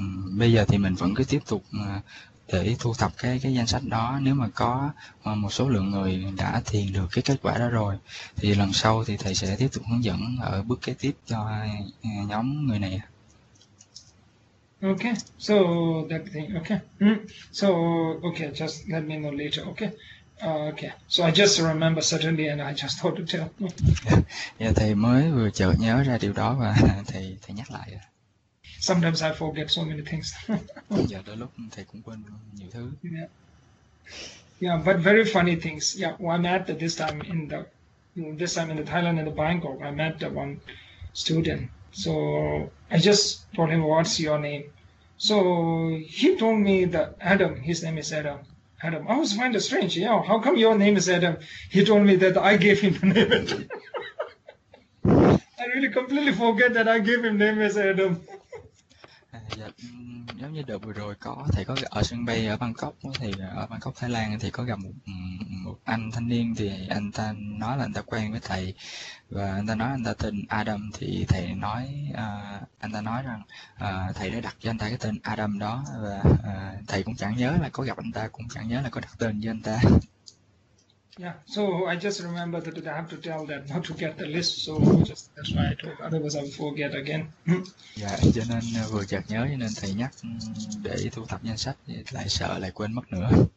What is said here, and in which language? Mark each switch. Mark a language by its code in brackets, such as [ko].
[vi] Bây giờ thì mình vẫn cứ tiếp tục để thu thập cái danh sách đó. Nếu mà có một số lượng người đã thiền được cái kết quả đó rồi thì lần sau thì thầy sẽ tiếp tục hướng dẫn ở bước kế tiếp cho nhóm người này. [en] Okay, so that thing, okay. So okay, just let me know later, okay. Okay, so I just remember suddenly and I just thought to tell. [vi] Yeah, thầy mới vừa chợt nhớ ra điều đó và thầy nhắc lại. [en] Sometimes I forget so many things. [vi] Dạ, đôi lúc thầy cũng quên nhiều thứ. [en] Yeah, but very funny things. Yeah, well, I met this time in the Thailand and the Bangkok. I met the one student. So I just told him, what's your name? So he told me that Adam, his name is Adam. Adam, I was find it strange. Yeah, how come your name is Adam? He told me that I gave him the name. I really completely forget that I gave him name as Adam. [vi] Dạ, giống như đợt vừa rồi có thầy có ở sân bay ở Bangkok, thì ở Bangkok Thái Lan thì có gặp một anh thanh niên, thì anh ta nói là anh ta quen với thầy và anh ta nói anh ta tên Adam, thì thầy nói anh ta nói rằng thầy đã đặt cho anh ta cái tên Adam đó, và thầy cũng chẳng nhớ là có gặp anh ta, cũng chẳng nhớ là có đặt tên cho anh ta. [en] Yeah, so I just remember that I have to tell that not to get the list, so just that's why I talk, otherwise I will forget again. [vi] Yeah, cho nên vừa chợt nhớ cho nên thầy nhắc để thu thập danh sách, lại sợ lại quên mất nữa.